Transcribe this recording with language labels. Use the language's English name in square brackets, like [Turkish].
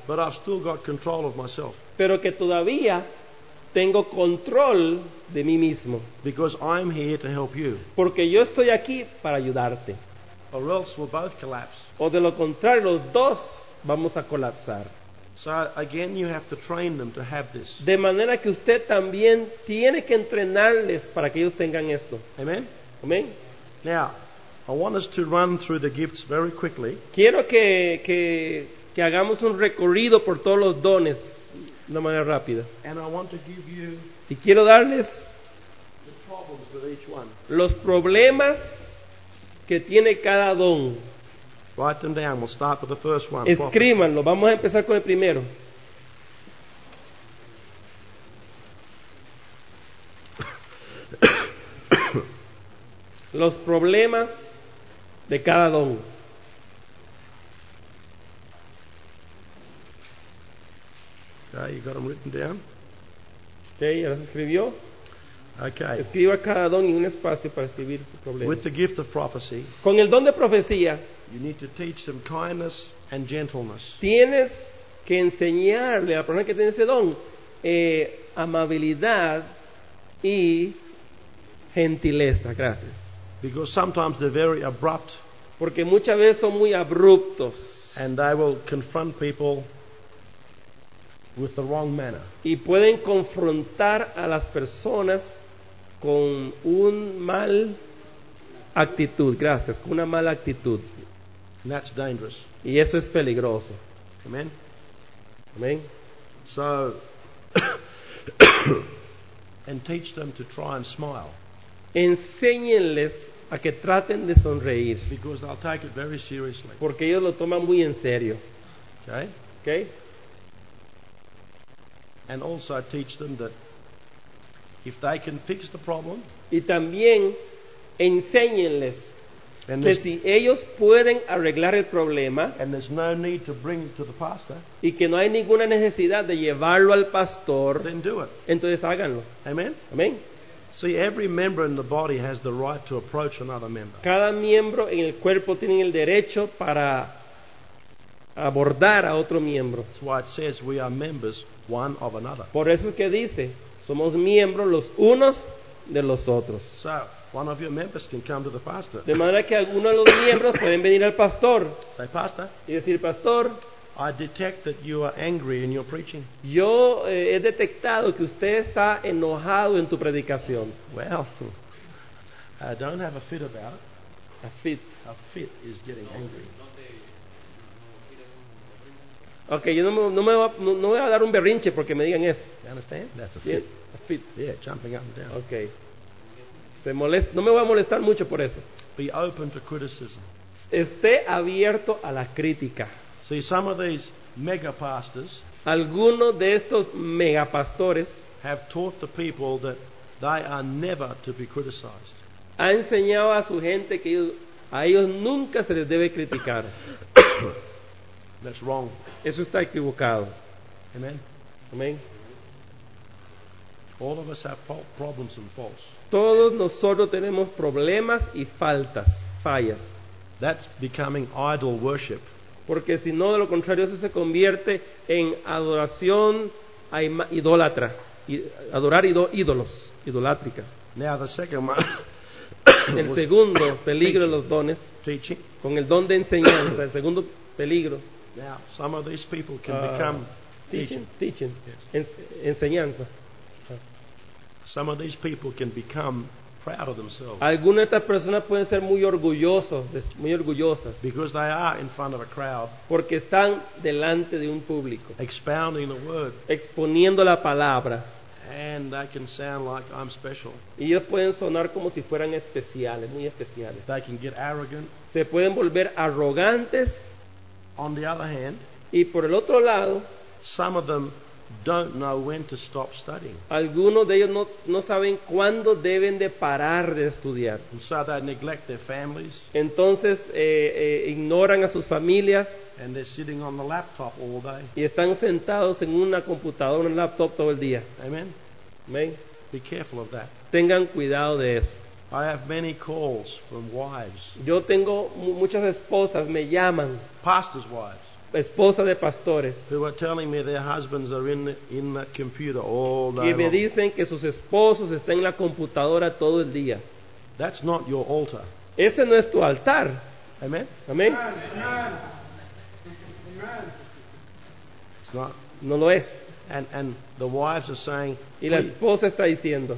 [English] but I've still got control of myself, [Spanish] pero que todavía tengo control de mí mismo, [English] because I'm here to help you, [Spanish] porque yo estoy aquí para ayudarte, [English] or else we'll both collapse, [Spanish] o de lo contrario los dos vamos a colapsar. [English] So again, you have to train them to have this. [Spanish] De manera que usted también tiene que entrenarles para que ellos tengan esto. [English] Amen. [Spanish] Amen. [English] Now, I want us to run through the gifts very quickly. [Spanish] Quiero que hagamos un recorrido por todos los dones de manera rápida. [English] And I want to give you. [Spanish] Y quiero darles [English] the problems with each one. [Spanish] Los problemas que tiene cada don. [English] Write them down. We'll start with the first one. [Spanish] Escríbanlo. Vamos a empezar con el primero. Los problemas de cada don. [English] Okay, you got them written down? [Spanish] Okay, ya los escribió. [English] Okay. [Spanish] Escriba cada don en un espacio para escribir su problema. [English] With the gift of prophecy. [Spanish] Con el don de profecía. [English] You need to teach them kindness and gentleness. [Spanish] Tienes que enseñarle a la persona que tiene ese don amabilidad y gentileza. Gracias. [English] Because sometimes they're very abrupt. [Spanish] Porque muchas veces son muy abruptos. [English] And they will confront people with the wrong manner. [Spanish] Y pueden confrontar a las personas con un mal actitud. Gracias, con una mala actitud. [English] And that's dangerous. [Spanish] Y eso es peligroso. [English] Amen. [Spanish] Amen. [English] So and teach them to try and smile. [Spanish] Enséñenles a que traten de sonreír. [English] Because they'll take it very seriously. [Spanish] Porque ellos lo toman muy en serio. [English] Okay? [Spanish] Okay? [English] And also teach them that if they can fix the problem, [Spanish] y también enséñenles que si ellos pueden arreglar el problema, [English] and there's no need to bring it to the pastor, [Spanish] y que no hay ninguna necesidad de llevarlo al pastor, [English] then do it. [Spanish] Entonces háganlo. [English] Amen. [Spanish] Amen. [English] See, every member in the body has the right to approach another member. [Spanish] Cada miembro en el cuerpo tiene el derecho para abordar a otro miembro. [English] That's why it says we are members one of another. [Spanish] Por eso es que dice, somos miembros los unos de los otros. [English] So, one of your members can come to the pastor. [Spanish] De manera que alguno de los miembros pueden venir al pastor. [English] Say, pastor. [Spanish] Y decir, pastor. [English] I detect that you are angry in your preaching. [Spanish] Yo he detectado que usted está enojado en tu predicación. [English] Well, I don't have a fit about it. A fit. A fit is getting angry. [Spanish] Okay, yo no voy a dar un berrinche porque me digan eso. [English] You understand? That's a fit. Yeah, a fit. Yeah, jumping up and down. Okay. [Spanish] No me voy a molestar mucho por eso. [English] Be open to criticism. [Spanish] Esté abierto a la crítica. [English] See, some of these mega pastors, [Spanish] algunos de estos mega pastores, [English] have taught the people that they are never to be criticized. [Spanish] Ha enseñado a su gente que a ellos nunca se les debe criticar. [English] That's wrong. [Spanish] Eso está equivocado. [English] Amen. [Spanish] Amen. [English] All of us have problems and faults. [Spanish] Todos nosotros tenemos problemas y faltas, fallas. [English] That's becoming idol worship. [Spanish] Porque si no, de lo contrario, eso se convierte en adoración a idólatra, adorar ídolos, idolátrica. [English] Now the second one. [Spanish] El segundo peligro de los dones, [English] teaching. [Spanish] Con el don de enseñanza, el segundo peligro. [English] Now some of these people can become teaching. Yes. Enseñanza. Some of these people can become proud of themselves. [Spanish] Algunas de estas personas pueden ser muy orgullosos, muy orgullosas. [English] Because they are in front of a crowd. [Spanish] Porque están delante de un público. [English] Expounding the word. [Spanish] Exponiendo la palabra. [English] And they can sound like I'm special. [Spanish] Y ellos pueden sonar como si fueran especiales, muy especiales. [English] They can get arrogant. [Spanish] Se pueden volver arrogantes. [English] On the other hand. [Spanish] Y por el otro lado. [English] Some of them don't know when to stop studying. [Spanish] Algunos de ellos no saben cuándo deben de parar de estudiar. [English] And so they neglect their families. [Spanish] Entonces ignoran a sus familias. [English] And they're sitting on the laptop all day. [Spanish] Y están sentados en una computadora, en un laptop todo el día. [English] Amen. [Spanish] Amen. [English] Be careful of that. [Spanish] Tengan cuidado de eso. [English] I have many calls from wives. [Spanish] Yo tengo muchas esposas me llaman. [English] Pastors' wives. [Spanish] Esposa de pastores. [English] Who are telling me their husbands are in the computer all day. [Spanish] Y me dicen que sus esposos están en la computadora todo el día. [English] That's not your altar. [Spanish] Ese no es tu altar. [English] Amen. [Spanish] Amen. Amen. [English] It's not. [Spanish] No lo es. [English] And the wives are saying. [Spanish] Y la esposa está diciendo.